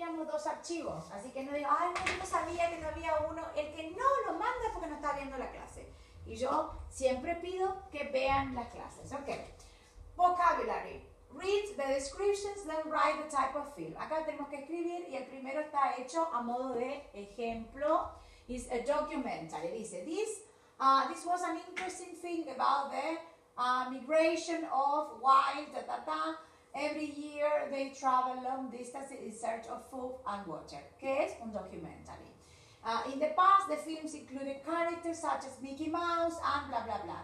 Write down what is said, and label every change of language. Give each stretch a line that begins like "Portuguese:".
Spanish: Dos archivos, así que no digo, ay, no, yo no sabía que no había uno. El que no lo manda es porque no está viendo la clase. Y yo siempre pido que vean las clases.
English: Ok. Vocabulary. Read the descriptions, then write the type of film.
Spanish: Acá tenemos que escribir y el primero está hecho a modo de ejemplo.
English: It's a documentary. Dice, this was an interesting thing about the migration of wild, ta, ta, ta. Every year they travel long distances in search of food and water.
Spanish: ¿Qué es? Un
English: documentary. In the past, the films included characters such as Mickey Mouse and bla, bla, bla.